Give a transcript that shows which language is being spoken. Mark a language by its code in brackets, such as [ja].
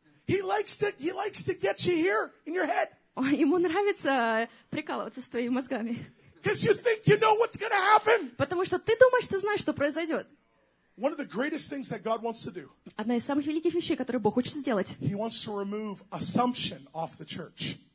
[en] He likes to get you here in your head. [ru] Ему нравится прикалываться с твоими мозгами. [en] Because you think you know what's going to happen. [ru] Потому что ты думаешь, ты знаешь, что произойдет. [en] One of the greatest things that God wants to do. [ru] Одна из самых великих вещей, которые Бог хочет сделать. [en] He wants to remove assumption off the church.